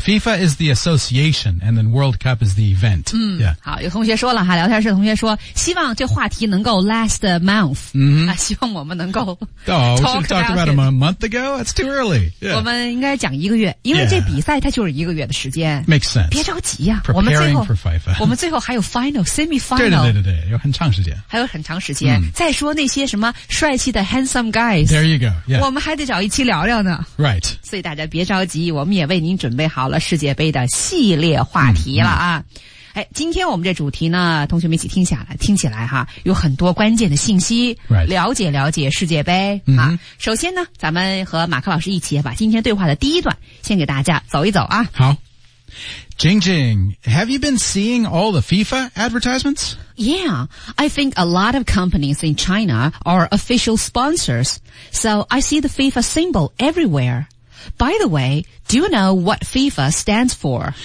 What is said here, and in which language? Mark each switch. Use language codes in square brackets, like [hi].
[en] FIFA is the association, and then World Cup is the event.、嗯、 yeah. [zh] 好，有同学说了哈，聊天室同学说，希望这话题能够 [en] last a month. 嗯、mm-hmm. [zh] 啊，希望我们能够 [en] talk about it. Oh, we should have talked about it a month ago. That's too early.、Yeah. [zh] 我们应该讲一个月，因为这比赛它就是一个月的时间。 [en] Yeah. Makes sense. [zh] 别着急呀、啊，我们最后 [en] for FIFA. [zh] 我们最后还有 [en] final, semi final. [zh] 对对对对，有很长时间。还有很长时间。Mm. 再说那些什么帅气的 [en] handsome guys. There you go. Yeah. [zh] 我们还得找一期聊聊呢。 [en] Right. [zh] 所以大家别着急。我们也为您准备好了世界杯的系列话题了啊、嗯嗯、哎，今天我们这主题呢，同学们一起听下来，听起来哈，有很多关键的信息、 [en] right. [zh] 了解了解世界杯、嗯、啊。首先呢，咱们和马克老师一起把今天对话的第一段先给大家走一走啊。 [en] 好， Jing Jing, have you been seeing all the FIFA advertisements? Yeah, I think a lot of companies in China are official sponsors, so I see the FIFA symbol everywhereBy the way, do you know what FIFA stands for?